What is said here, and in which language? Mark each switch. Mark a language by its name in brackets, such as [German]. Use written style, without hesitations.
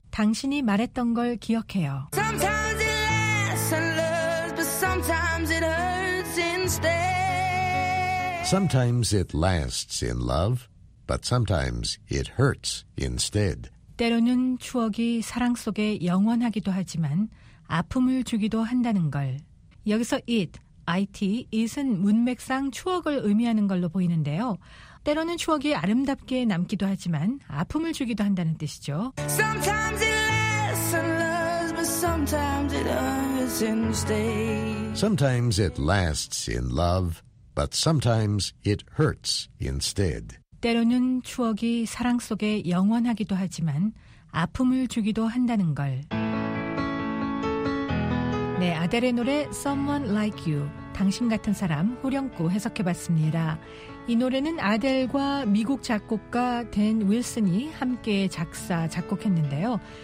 [Korean] 당신이 말했던 걸 기억해요. [English] Sometimes it lasts and lasts, but sometimes it hurts instead. Sometimes it lasts in love, but sometimes it hurts instead. [Korean] 때로는 추억이 사랑 속에 영원하기도 하지만 아픔을 주기도 한다는 걸. 여기서 it, it, it은 문맥상 추억을 의미하는 걸로 보이는데요. 때로는 추억이 아름답게 남기도 하지만 아픔을 주기도 한다는 뜻이죠. [English] Sometimes it lasts in love, but sometimes it hurts instead. Sometimes it lasts in love. But sometimes it hurts instead. [Korean] 때로는 추억이 사랑 속에 영원하기도 하지만 아픔을 주기도 한다는 걸. 네, 아델의 노래 Someone Like You, 당신 같은 사람, 호령구 해석해봤습니다. 이 노래는 아델과 미국 작곡가 댄 윌슨이 함께 작사, 작곡했는데요.